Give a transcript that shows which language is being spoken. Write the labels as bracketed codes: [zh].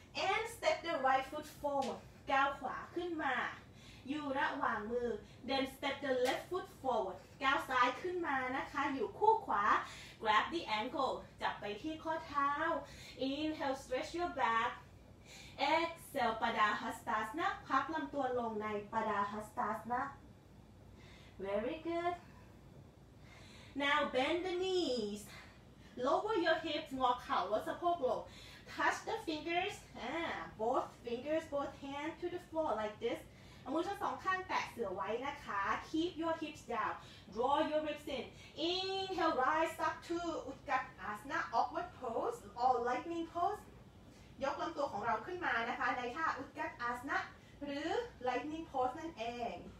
[en] And step the right foot forward [th] ก้าวขวาขึ้นมาอยู่ระหว่างมือ [en] Then step the left foot forward [th] ก้าวซ้ายขึ้นมานะคะอยู่คู่ขวา [en] Grab the ankle, [th] จับไปที่ข้อเท้า [en] Inhale, stretch your backExhale, Padahastasana. [th] พับลำตัวลงใน Padahastasana. [en] Very good. Now bend the knees. Lower your hips. [th] งอเข่าลดสะโพกลง [en] Touch the fingers. Both fingers, both hands to the floor like this. [th] มือทั้งสองข้างแตะเสื่อไว้นะคะ [en] Keep your hips down. Draw your ribs in. Inhale, rise up to Utkatasana. Awkward pose. All [th] lightning pose ยกลำตัวของเราขึ้นมานะคะในท่า Utkatasana หรือ lightning pose นั่นเอง